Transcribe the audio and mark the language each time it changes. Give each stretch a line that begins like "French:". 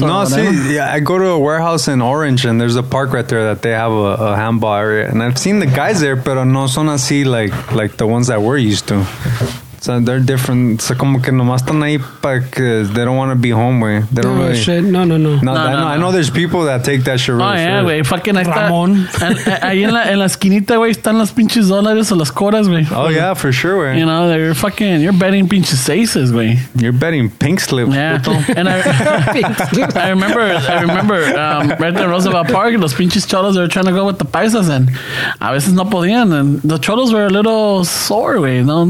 English: No, see, yeah, I go to a warehouse in Orange, and there's a park right there that they have a handball area. And I've seen the guys there, pero no son así like the ones that we're used to. So they're different. So como que nomás están ahí because they don't want to be home, güey. No, really, shit. No. No. I know there's people that take that shit really Oh, yeah, güey. Fucking Ramón.
Spanish: Ahí, ahí en la esquinita, güey, están los pinches dólares o las coras, güey.
English: Oh, yeah, for sure, güey. You know, they're fucking, you're betting pinches aces, güey. You're betting pink slips. Yeah. And I remember, right in Roosevelt Park, los pinches cholos were trying to go with the paisas, and a veces no podían, and the cholos were a little sore, güey, ¿no?